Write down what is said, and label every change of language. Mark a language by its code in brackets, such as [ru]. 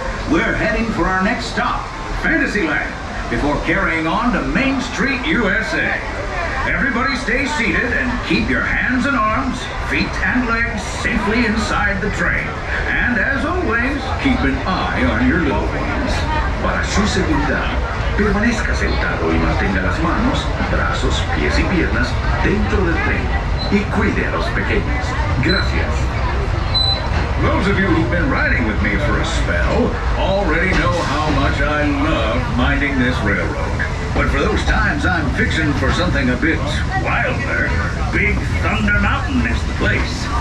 [en] We're heading for our next stop, Fantasyland, before carrying on to Main Street, USA. Everybody stay seated and keep your hands and arms, feet and legs safely inside the train. And as always, keep an eye on your loved ones. [es] Para su seguridad, permanezca sentado y mantenga las manos, brazos, pies y piernas dentro del tren. Y cuide a los pequeños. Gracias. [en] Those of you who've been riding with me for a spell already know how much I love minding this railroad. But for those times I'm fixing for something a bit wilder, Big Thunder Mountain is the place.